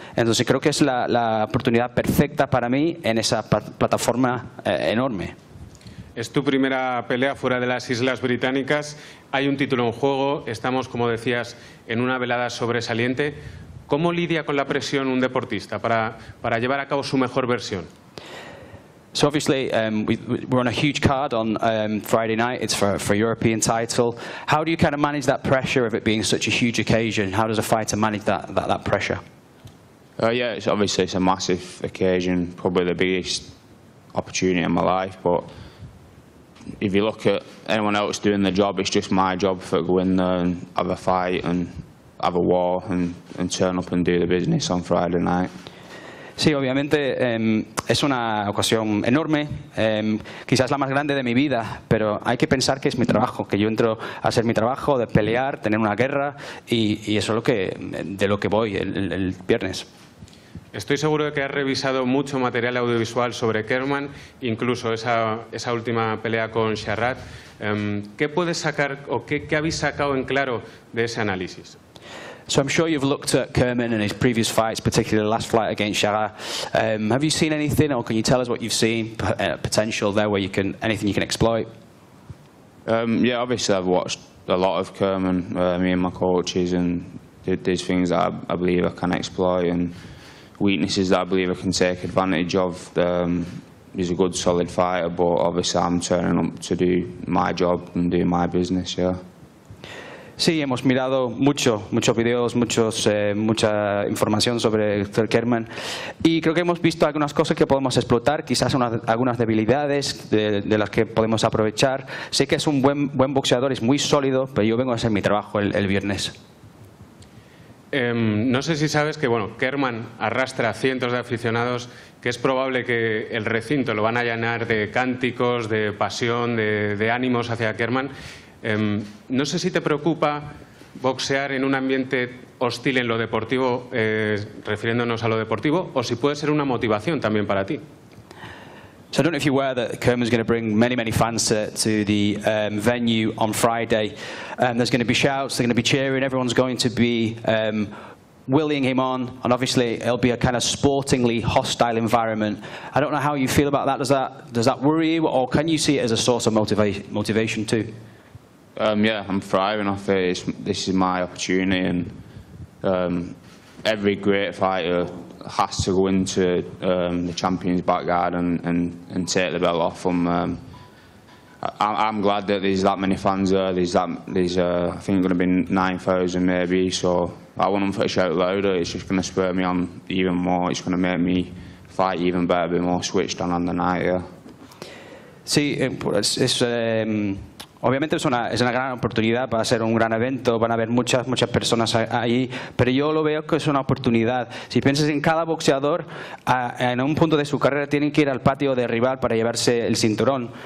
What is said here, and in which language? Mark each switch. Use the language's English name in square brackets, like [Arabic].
[Spanish] Entonces, creo que es la oportunidad perfecta para mí en esa plataforma enorme. Es tu primera pelea fuera de las Islas Británicas. Hay un título en juego. Estamos, como decías, en una velada sobresaliente. ¿Cómo lidia con la presión un deportista para llevar a cabo su mejor versión? [English] So obviously we're on a huge card on Friday night. It's for a European title. How do you kind of manage that pressure of it being such a huge occasion? How does a fighter manage that pressure? Yeah, it's obviously it's a massive occasion, probably the biggest opportunity in my life. But if you look at anyone else doing the job, it's just my job for going there and have a fight and have a war and turn up and do the business on Friday night. [Spanish] Sí, obviamente es una ocasión enorme, quizás la más grande de mi vida, pero hay que pensar que es mi trabajo, que yo entro a hacer mi trabajo de pelear, tener una guerra y eso es lo que voy el viernes. Estoy seguro de que has revisado mucho material audiovisual sobre Kerman, incluso esa última pelea con Sharrat. ¿Qué puedes sacar o qué habéis sacado en claro de ese análisis? [English] So I'm sure you've looked at Kerman and his previous fights, particularly the last fight against Sharrat. Have you seen anything, or can you tell us what you've seen, potential there where you can, anything you can exploit? Yeah, obviously I've watched a lot of Kerman, me and my coaches, and there's things that I believe I can exploit, and weaknesses that I believe I can take advantage of. He's a good, solid fighter, but obviously I'm turning up to do my job and do my business, yeah. [Spanish] Sí, hemos mirado muchos videos, mucha información sobre Phil Kerman y creo que hemos visto algunas cosas que podemos explotar, quizás algunas debilidades de las que podemos aprovechar. Sé que es un buen boxeador, es muy sólido, pero yo vengo a hacer mi trabajo el viernes. No sé si sabes que bueno, Kerman arrastra a cientos de aficionados, que es probable que el recinto lo van a llenar de cánticos, de pasión, de ánimos hacia Kerman. No sé si te preocupa boxear en un ambiente hostil en lo deportivo, refiriéndonos a lo deportivo, o si puede ser una motivación también para ti. [English] So I don't know if you're aware that Kerman's going to bring many fans to the venue on Friday. There's going to be shouts, they're going to be cheering, everyone's going to be willing him on, and obviously it'll be a kind of sportingly hostile environment. I don't know how you feel about that. Does that worry you, or can you see it as a source of motivation too? Yeah, I'm thriving off it. This is my opportunity, and every great fighter has to go into the champion's backyard and take the belt off them. I'm glad that there's that many fans there. I think it's going to be 9,000 maybe, so I want them to shout louder. It's just going to spur me on even more. It's going to make me fight even better, be more switched on the night, yeah. [Spanish] Sí, obviamente es una gran oportunidad, va a ser un gran evento, van a haber muchas personas ahí, pero yo lo veo que es una oportunidad. Si piensas en cada boxeador, en un punto de su carrera tienen que ir al patio de rival para llevarse el cinturón.